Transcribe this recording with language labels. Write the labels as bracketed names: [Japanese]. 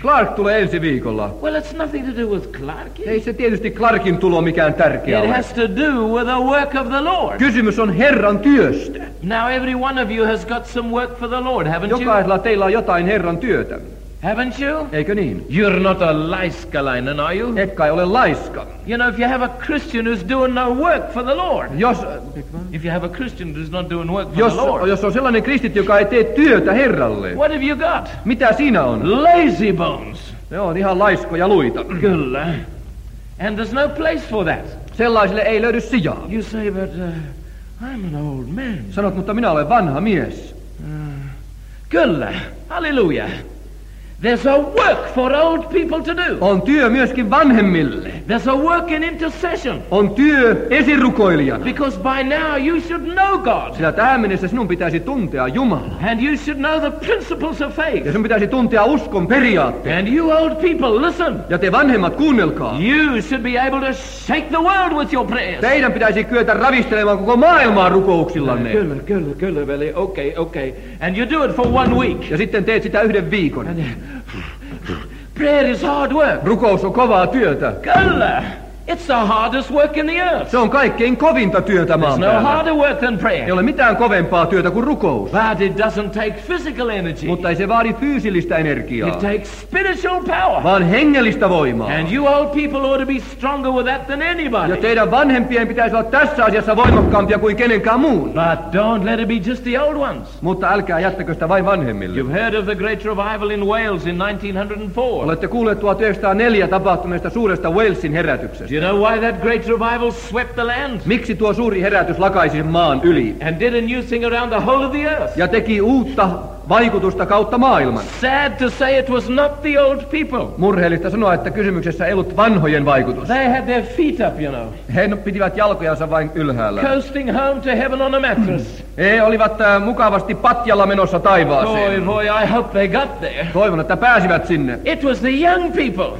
[Finnish] Clark tulee ensi viikolla. [English] Well, it's nothing to do with Clarkie. [Finnish] Ei se tietysti Clarkin tulo mikään tärkeä [English] it [Finnish] ole. [English] It has to do with the work of the Lord. [Finnish] Kysymys on Herran työstä. [English] Now every one of you has got some work for the Lord, haven't you? [Finnish] Jokaisella teillä on jotain Herran työtä. [English] Haven't you? [Finnish] Eikö niin? [English] You're not a laiskalainen, are you? [Finnish] Et kai ole laiska. [English] You know, if you have a Christian who's doing no work for the Lord. [Finnish] Jos [English] if you have a Christian who's not doing work for the Lord. [Finnish] Jos on sellainen kristitty, joka ei tee työtä Herralle. [English] What have you got? [Finnish] Mitä siinä on? [English] Lazy bones. [Finnish] Ne on ihan laiskoja luita. [English] Kyllä. And there's no place for that. [Finnish] Sellaisille ei löydy sijaa. [English] You say, but I'm an old man. [Finnish] Sanot, mutta minä olen vanha mies. Kyllä. Hallelujah. [English] There's a work for old people to do. [Finnish] On työ myöskin vanhemmille. [English] There's a work in intercession. [Finnish] On työ esirukoilijana. [English] Because by now you should know God. [Finnish] Sillä tähän mennessä sinun pitäisi tuntea Jumala. [English] And you should know the principles of faith. [Finnish] Ja sinun pitäisi tuntea uskon periaatteet. [English] And you old people, listen. [Finnish] Ja te vanhemmat, kuunnelkaa. [English] You should be able to shake the world with your prayers. [Finnish] Teidän pitäisi kyetä ravistelemaan koko maailmaa rukouksillanne. Kyllä, kyllä, kyllä, veli. [English] Okay. And you do it for 1 week. [Finnish] Ja sitten teet sitä yhden viikon. [English] And Prayer is hard work. [Finnish] Rukous on kovaa työtä. [English] Kyllä. It's the hardest work in the earth. [Finnish] Se on kaikkein kovinta työtä maan päällä. [English] There's no harder work than prayer. [Finnish] Ei ole mitään kovempaa työtä kuin rukous. [English] But it doesn't take physical energy. [Finnish] Mutta ei se vaadi fyysillistä energiaa. [English] It takes spiritual power. [Finnish] Vaan hengellistä voimaa. [English] And you old people ought to be stronger with that than anybody. [Finnish] Ja teidän vanhempien pitäisi olla tässä asiassa voimakkaampia kuin kenenkään muun. [English] But don't let it be just the old ones. [Finnish] Mutta älkää jättäkö sitä vain vanhemmille. [English] You've heard of the great revival in Wales in 1904. [Finnish] Olette kuulleet 1904 tapahtuneesta suuresta Walesin herätyksestä. [English] Do you know why that great revival swept the land? [Finnish] Miksi tuo suuri herätys lakaisi maan yli? [English] And did a new thing around the whole of the earth. [Finnish] Ja teki uutta vaikutusta kautta maailman. [English] Sad to say it was not the old people. [Finnish] Murheellista sanoa, että kysymyksessä ei ollut vanhojen vaikutus. [English] They had their feet up, you know. [Finnish] He pitivät jalkojansa vain ylhäällä. [English] Coasting home to heaven on a mattress. [Finnish] He olivat mukavasti patjalla menossa taivaaseen. [English] Boy, boy, I hope they got there. [Finnish] Toivon, että pääsivät sinne. [English] It was the young people.